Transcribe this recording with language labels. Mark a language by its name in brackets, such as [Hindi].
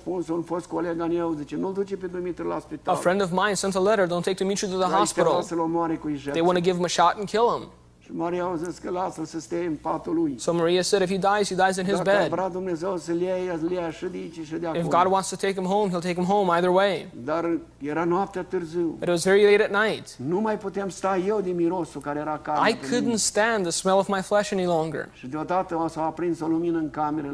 [Romanian] Un fost coleg al meu zice, nu-l duce pe Dumitru la spital. [English] A friend of mine sent a letter, don't take Dumitru to the hospital. They want to give him a shot and kill him. [Romanian] Și Maria a zis că lasă-l să stea în patul lui. [English] So Maria said, if he dies, he dies in his bed. [Romanian] Dacă vrea Dumnezeu să-l ia, să-l ia și de aici și de acolo. [English] If God wants to take him home, he'll take him home either way. [Romanian] Dar era noaptea târziu. [English] It was very late at night. [Romanian] Nu mai puteam sta eu de mirosul care era carne. [English] I couldn't stand the smell of my flesh any longer. [Romanian] Și deodată s-a aprins o lumină în cameră.